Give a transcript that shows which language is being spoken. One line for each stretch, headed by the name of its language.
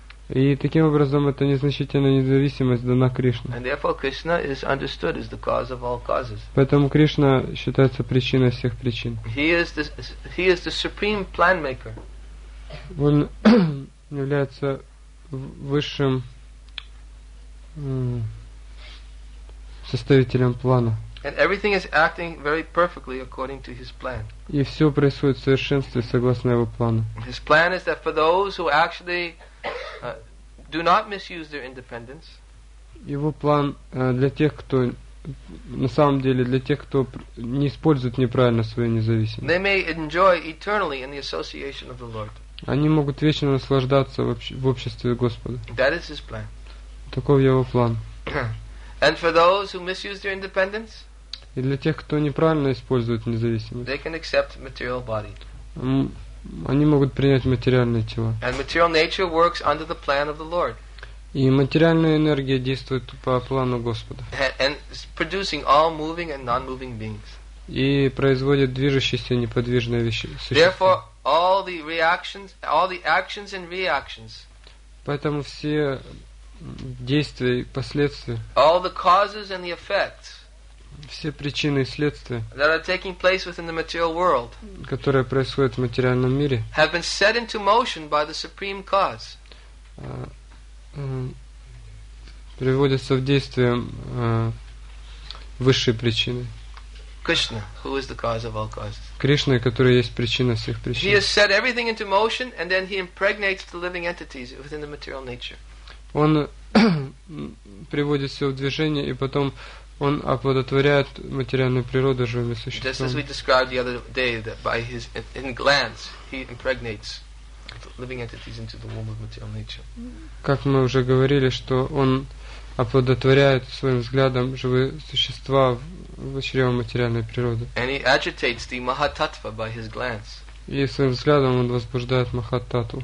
Russian: И таким образом эта незначительная независимость дана Кришне.
English: And therefore Krishna is understood as the cause of all causes.
Russian: Поэтому Кришна считается причиной всех причин.
English: He is the supreme plan maker.
Russian: Он является высшим составителем плана.
English: And everything is acting very perfectly according to his plan.
Russian: И все происходит в совершенстве согласно его плану.
English: His plan is that for those who actually do not misuse their independence.
Russian: Его план для тех, кто на самом деле для тех, кто не использует неправильно свою независимость.
English: They may enjoy eternally in the association of the Lord.
Russian: Они могут вечно наслаждаться в обществе Господа.
English: That is his plan.
Russian: Таков его план.
English: And for those who misuse their independence,
Russian: и для тех, кто неправильно использует независимость,
English: they can accept material body.
Russian: Они могут принять материальное тело.
English: And material nature works under the plan of the Lord.
Russian: И материальная энергия действует по плану Господа.
English: And is producing all moving and non-moving beings.
Russian: И производит движущиеся и неподвижные вещи.
English: Therefore, all the reactions, all the actions and reactions.
Russian: Поэтому все действия и последствия.
English: All the causes and the effects.
Russian: Все причины и следствия.
English: That are taking place within the material world.
Russian: Которые происходят в материальном мире.
English: Have been set into motion by the supreme cause.
Russian: Приводятся в действие высшей причиной.
English: Krishna, who is the cause of all causes.
Russian: Кришна, который есть причина всех причин.
English: He has set everything into motion, and then he impregnates the living entities within the material nature.
Russian: Он приводит все в движение, и потом он оплодотворяет материальную природу живыми существами.
English: Just as we described the other day, that by his in glance he impregnates living entities into the womb of material nature.
Russian: Как мы уже говорили, что он оплодотворяет своим взглядом живые существа в чрево материальной природы.
English: And he agitates the Mahatattva by his glance.
Russian: И своим взглядом он возбуждает Махататву.